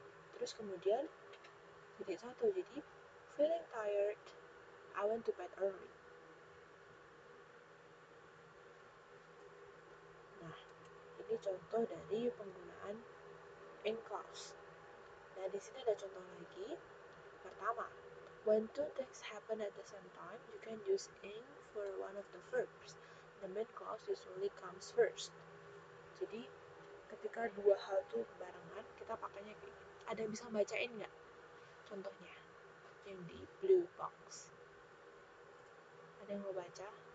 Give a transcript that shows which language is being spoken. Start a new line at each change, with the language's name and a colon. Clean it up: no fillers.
Indonesian: Terus kemudian titik satu, jadi
English: feeling tired, I went to bed early.
Indonesian: Nah, ini contoh dari penggunaan in clause. Nah, di sini ada contoh lagi. Pertama,
English: when two things happen at the same time, you can use in for one of the verbs. The main clause usually comes first.
Indonesian: Jadi ketika dua hal itu barengan, kita pakainya kayak, ada yang bisa bacain nggak? Contohnya yang di blue box, ada yang mau baca?